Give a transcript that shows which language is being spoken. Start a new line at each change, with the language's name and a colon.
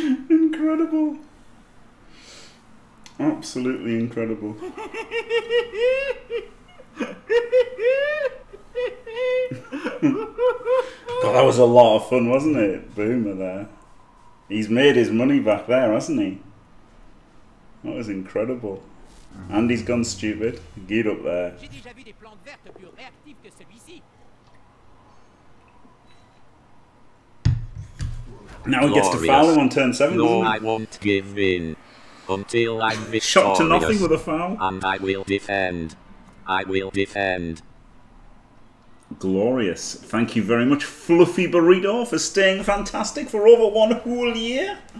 English: Incredible. Absolutely incredible. God, that was a lot of fun, wasn't it? Boomer there. He's made his money back there, hasn't he? That was incredible. And he's gone stupid. Get up there.
French: J'ai déjà vu des plantes vertes plus réactives que celui-ci.
English: Now he gets to foul him on turn 7, no, doesn't he? I won't give in until I'm victorious. Shot to nothing with a foul. And I will defend. I will defend. Glorious. Thank you very much, Fluffy Burrito, for staying fantastic for over one whole year.